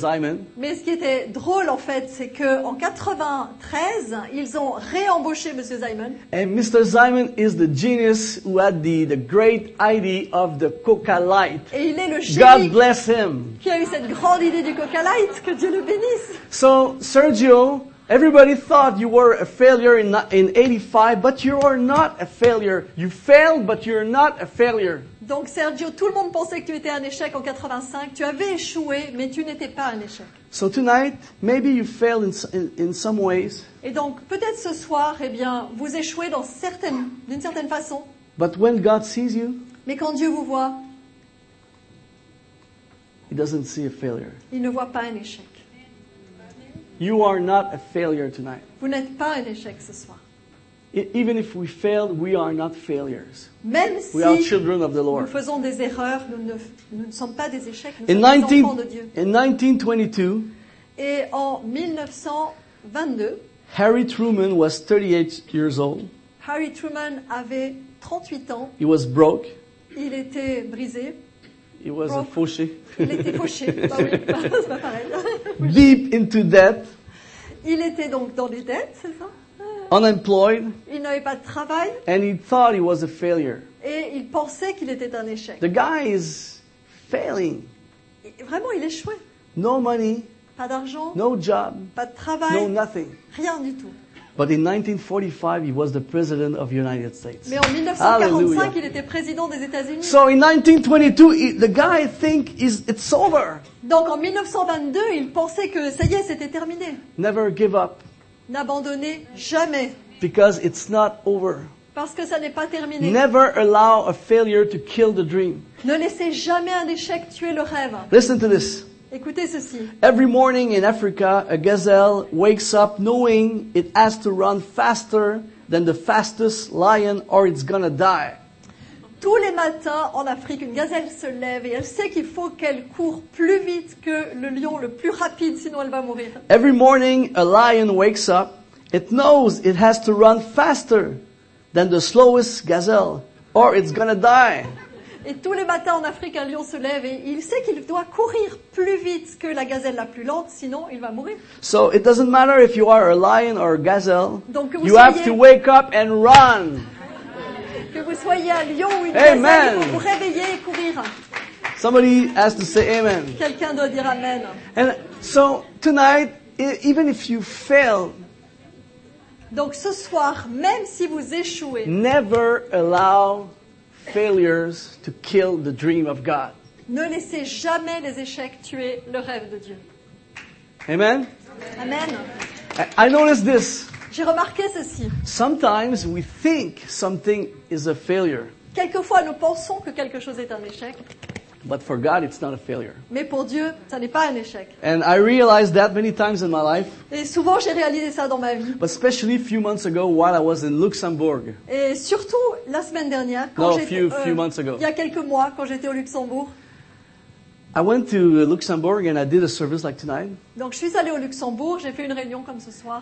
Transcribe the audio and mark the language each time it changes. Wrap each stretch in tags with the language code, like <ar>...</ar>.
<fr>Zimon. Mais ce qui était drôle en fait, c'est que en 93, ils ont réembauché Monsieur Zimon.</fr> <en>And Mr. Zimon is the genius who had the great idea of the Coca Light.</en> <fr>Et il est le génie.</fr> <en>God bless him.</en> <fr>Qui a eu cette grande idée du Coca Light, que Dieu le bénisse.</fr> <en>So Sergio. Everybody thought you were a failure in 85, but you are not a failure. You failed, but you're not a failure.</en> <fr>Donc Sergio, tout le monde pensait que tu étais un échec en 85. Tu avais échoué, mais tu n'étais pas un échec.</fr> <en>So tonight, maybe you failed in some ways.</en> <fr>Et donc peut-être ce soir, eh bien, vous échouez d'une certaine façon.</fr> <en>But when God sees you,</en> <fr>mais quand Dieu vous voit,</fr> <en>He doesn't see a failure.</en> <fr>Il ne voit pas un échec.</fr> <en>You are not a failure tonight.</en> <fr>Vous n'êtes pas un échec ce soir.</fr> <en>Even if we failed, we are not failures.</en> <fr>Même si</fr> <en>we are children of the Lord.</en> <fr>Nous faisons des erreurs, nous ne sommes pas des échecs, nous sommes des enfants de Dieu.</fr> <en>In 1922,</en> <fr>et en 1922,</fr> <en>Harry Truman was 38 years old.</en> <fr>Harry Truman avait 38 ans.</fr> <en>He was broke.</en> <fr>Il était brisé.</fr> <en>He was a fauché.</en> <fr>Il était fauché. Bah oui, c'est pas pareil.</fr> <en>Deep into debt.</en> <fr>Il était donc dans les dettes, c'est ça?</fr> <en>Unemployed.</en> <fr>Il n'avait pas de travail.</fr> <en>And he thought he was a failure.</en> <fr>Et il pensait qu'il était un échec.</fr> <en>The guy is failing.</en> <fr>Vraiment, il échouait.</fr> <en>No money.</en> <fr>Pas d'argent.</fr> <en>No job.</en> <fr>Pas de travail.</fr> <en>No nothing.</en> <fr>Rien du tout.</fr> <en>But in 1945, he was the president of the United States.</en> <fr>Mais en 1945, il était président des États-Unis.</fr> <en>So in 1922, the guy think is it's over.</en> <fr>Donc en 1922, il pensait que ça y est, c'était terminé.</fr> <en>Never give up.</en> <fr>N'abandonnez jamais.</fr> <en>Because it's not over.</en> <fr>Parce que ça n'est pas terminé.</fr> <en>Never allow a failure to kill the dream.</en> <fr>Ne laissez jamais un échec tuer le rêve.</fr> <en>Listen to this.</en> <fr>Écoutez ceci.</fr> <en>Every morning in Africa, a gazelle wakes up knowing it has to run faster than the fastest lion or it's gonna die.</en> <fr>Tous les matins en Afrique, une gazelle se lève et elle sait qu'il faut qu'elle court plus vite que le lion, le plus rapide, sinon elle va mourir.</fr> <en>Every morning, a lion wakes up. It knows it has to run faster than the slowest gazelle or it's gonna die.</en> <fr>Et tous les matins en Afrique, un lion se lève et il sait qu'il doit courir plus vite que la gazelle la plus lente, sinon il va mourir.</fr> <en>So it doesn't matter if you are a lion or a gazelle.</en> <fr>Donc que vous</fr> <en>you</en> <fr>soyez...</fr> <en>have to wake up and run.</en> <fr>Que vous soyez un lion ou une gazelle, amen. Il faut vous réveiller et courir.</fr> <en>Somebody has to say amen.</en> <fr>Quelqu'un doit dire amen.</fr> <en>And so tonight, even if you fail.</en> <fr>Donc ce soir, même si vous échouez.</fr> <en>Never allow failures to kill the dream of God.</en> <fr>Ne laissez jamais les échecs tuer le rêve de Dieu.</fr> <en>Amen.</en> <fr>Amen.</fr> <en>I noticed this.</en> <fr>J'ai remarqué ceci.</fr> <en>Sometimes we think something is a failure.</en> <fr>Quelquefois nous pensons que quelque chose est un échec.</fr> <en>But for God it's not a failure.</en> <fr>Mais pour Dieu, ça n'est pas un échec.</fr> <en>And I realized that many times in my life.</en> <fr>Et souvent j'ai réalisé ça dans ma vie.</fr> <en>But especially a few months ago while I was in Luxembourg.</en> <fr>Et surtout la semaine dernière quand il y a quelques mois quand j'étais au Luxembourg.</fr> <en>I went to Luxembourg and I did a service like tonight.</en> <fr>Donc je suis allé au Luxembourg, j'ai fait une réunion comme ce soir.</fr>